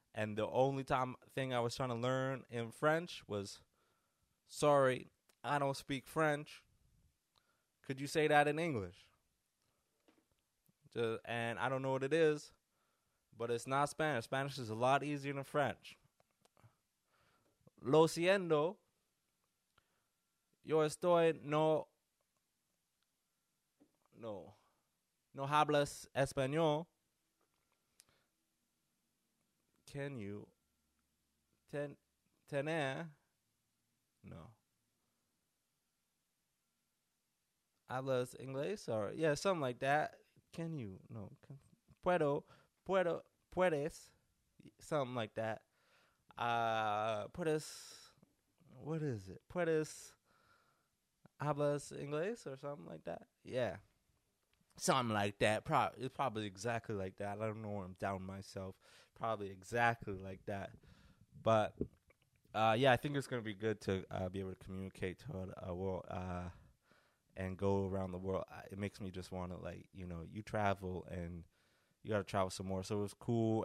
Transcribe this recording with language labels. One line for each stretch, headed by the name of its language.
English: And the only thing I was trying to learn in French was, sorry, I don't speak French. Could you say that in English? And I don't know what it is, but it's not Spanish. Spanish is a lot easier than French.
Spanish: Lo siento, yo estoy no hablas español.
English: Can you
Spanish: tener?
English: No.
Spanish: Hablas inglés?
English: Or yeah, something like that. Can you? No.
Spanish: Puedes?
English: Something like that.
Spanish: Puedes?
English: What is it? Puedes?
Spanish: Hablas inglés
English: or something like that? Yeah. Something like that. It's probably exactly like that. I don't know where I'm down myself. Probably exactly like that. But, yeah, I think it's going to be good to be able to communicate to a world and go around the world. It makes me just want to, like, you know, you travel and you got to travel some more. So it was cool.